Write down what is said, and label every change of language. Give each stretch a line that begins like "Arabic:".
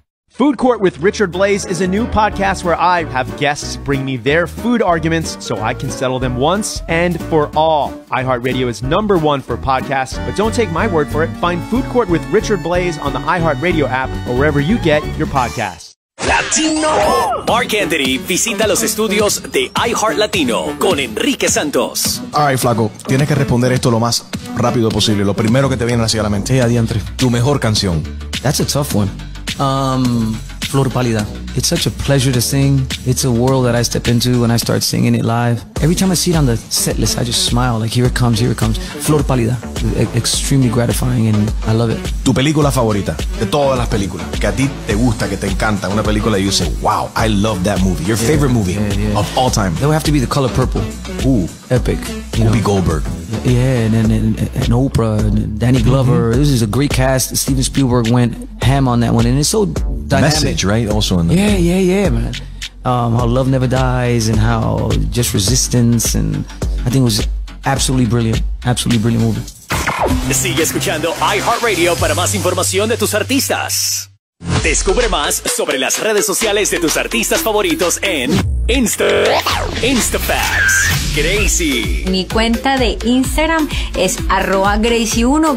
English: Food Court with Richard Blaze is a new podcast where I have guests bring me their food arguments so I can settle them once and for all. iHeartRadio is number one for podcasts, but don't take my word for it. Find Food Court with Richard Blaze on the iHeartRadio app or wherever you get your podcasts.
Spanish: Latino. Mark Anthony visita los estudios de iHeart Latino con Enrique Santos.
English: All right,
Spanish: flaco, tienes que responder esto lo más rápido posible. Lo primero que te viene hacia la mente. Hey, adiantre. Tu mejor canción.
English: That's a tough one. Flor Pálida. It's such a pleasure to sing. It's a world that I step into when I start singing it live. Every time I see it on the set list, I just smile. Like, here it comes, here it comes. Flor Pálida. Extremely gratifying and I love it.
Spanish: Tu película favorita de todas las películas. Que a ti te gusta, que te encanta. Una película
English: you say, wow, I love that movie. Your favorite movie of all time. That would have to be The Color Purple. Ooh. Epic. Whoopi Goldberg. Yeah, and Oprah, and Danny Glover. Mm-hmm. This is a great cast. Steven Spielberg went ham on that one. And it's so dynamic. Message, right? Also in the Man. How Love Never Dies and how just resistance. And I think it was absolutely brilliant. Absolutely brilliant movie.
Spanish: Sigue escuchando iHeartRadio para más información de tus artistas. Descubre más sobre las redes sociales de tus artistas favoritos en InstaFacts. Gracie. Mi cuenta de Instagram es @Gracie1.